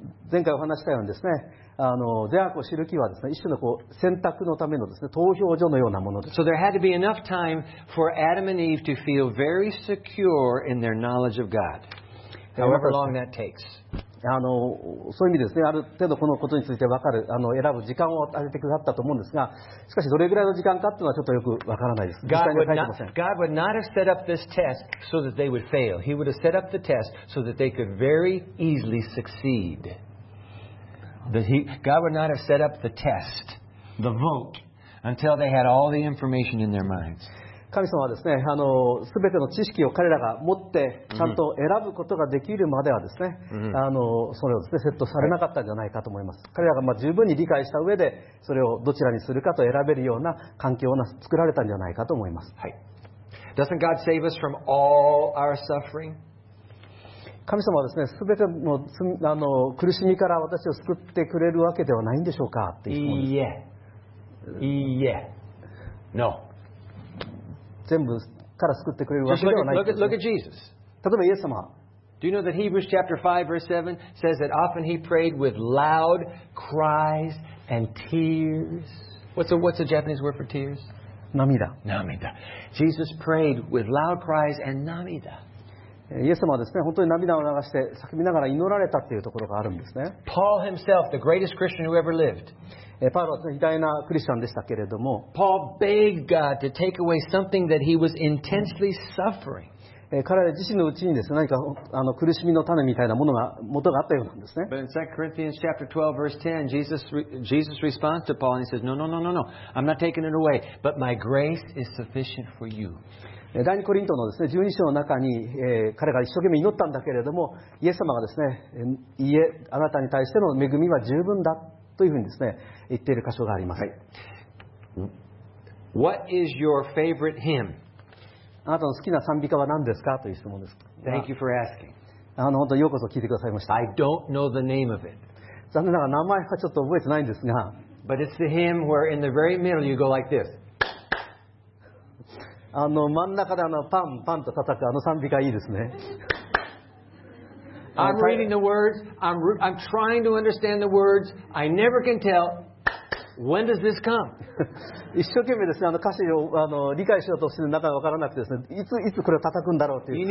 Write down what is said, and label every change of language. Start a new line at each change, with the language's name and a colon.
Japanese: 前回お話したようにですね、善悪を知る木はですね、一種のこう選択のためのですね、投票所のようなものです。
English: So there had to be enough time for Adam and Eve to feel very secure in their knowledge of God, however long that takes.
Japanese: あのそういう意味ですね、ある程度このことについて分かる、あの選ぶ時間を与えてくださったと思うんですが、しかしどれぐらいの時間かというのはちょっとよく分からないです。実際には書いてません。
English: God would not have set up this test so that they would fail. He would have set up the test so that they could very easily succeed. God would not have set up the test, the vote, until they had all the information in their minds.
Japanese: 神様はですね、あの、全ての知識を彼らが持ってちゃんと選ぶことができるまではですね、mm-hmm. あの、それをですね、セットされなかったんじゃないかと思います。彼らがまあ十分に理解した上で、それをどちらにするかと選べるような環境を作られたんじゃないかと思います。はい。
English: Doesn't God save us from all our suffering?
Japanese: 神様はですね、すべての、あの、苦しみから私を救ってくれるわけではないんでしょうかっていう質問です。いいえ。いいえ。
English: No.
Japanese: 全部から救ってくれるわけではないですね。
English: Look at Jesus.
Japanese: 例えばイエス様。
English: Do you know that Hebrews chapter 5 verse 7 says that often he prayed with loud cries and tears. What's the Japanese word for tears?
Japanese: 涙。涙。
English: Jesus prayed with loud cries and 涙。
Japanese: イエス様はですね、本当に涙を流して叫びながら祈られたっていうところがあるんですね。
English: Paul himself, the greatest Christian who ever lived.
Japanese: パウロは偉大なクリスチャンでしたけれども、
English: Paul begged God to take away something that he was intensely suffering.
Japanese: 彼自身のうちにですね、何かあの苦しみの種みたいなものが元があったようなんですね。
English: But in 2 Corinthians chapter 12 verse 10, Jesus responds to Paul and he says, "No, no, no, no, no. I'm not taking it away. But my grace is sufficient for you."
Japanese: 第二コリントのですね、12章の中に、彼が一生懸命祈ったんだけれども、イエス様がですね、いえ、あなたに対しての恵みは十分だ。というふうにですね、言っている箇所があります。
English: What is your favorite hymn?
Japanese: あなたの好きな賛美歌は何ですかという質問です。
English: Thank you for asking.
Japanese: あの、本当にようこそ聞いてくださいました。
English: I don't know the name of it.
Japanese: 残念ながら名前はちょっと覚えてないんですが。
English: But it's the hymn where in the very middle you go like this.
Japanese: あの、真ん中であのパンパンと叩くあの賛美歌いいですね。
English: I'm reading the words. I'm trying to understand the words. I never can tell. When does this come?
Japanese: 一生懸命ですね、あの歌詞をあの理解しようとしてなかなかわからなくてですね、いつこれを叩くんだろうという。